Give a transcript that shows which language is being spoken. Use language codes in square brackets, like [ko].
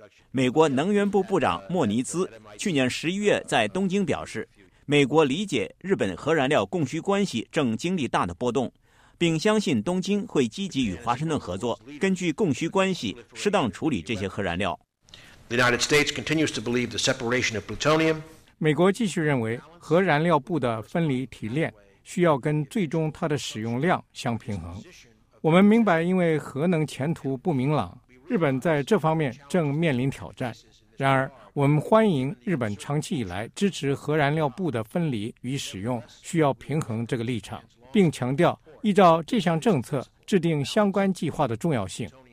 [zh] 美国能源部部长莫尼兹去年11月在东京表示，美国理解日本核燃料供需关系正经历大的波动，并相信东京会积极与华盛顿合作，根据供需关系适当处理这些核燃料。 [en] The United States continues to believe the separation of plutonium. [zh] 美国继续认为核燃料部的分离提炼需要跟最终它的使用量相平衡。我们明白，因为核能前途不明朗，日本在这方面正面临挑战。然而，我们欢迎日本长期以来支持核燃料部的分离与使用需要平衡这个立场，并强调依照这项政策制定相关计划的重要性。